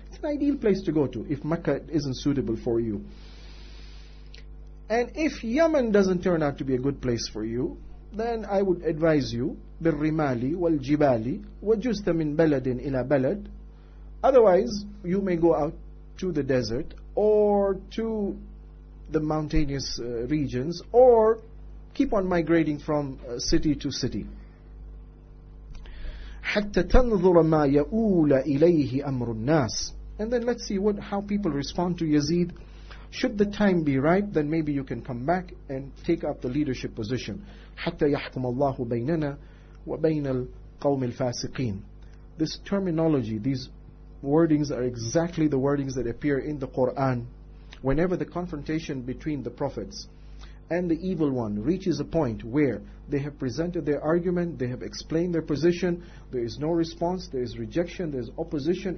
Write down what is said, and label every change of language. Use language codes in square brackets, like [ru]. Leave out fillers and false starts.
[en] It's an ideal place to go to if Mecca isn't suitable for you. And if Yemen doesn't turn out to be a good place for you, then I would advise you [ar] بِالرِّمَالِ وَالْجِبَالِ وَجُزْتَ مِنْ بَلَدٍ إِلَى بَلَدٍ. [en] Otherwise, you may go out to the desert or to the mountainous regions, or keep on migrating from city to city. [ar] حتى تنظر ما يؤول إليه أمر الناس. [en] And then let's see how people respond to Yazid. Should the time be ripe, then maybe you can come back and take up the leadership position. [ar] حتى يحكم الله بيننا وبين القوم الفاسقين. [en] This terminology, these wordings are exactly the wordings that appear in the Quran. Whenever the confrontation between the prophets and the evil one reaches a point where they have presented their argument, they have explained their position, there is no response, there is rejection, there is opposition.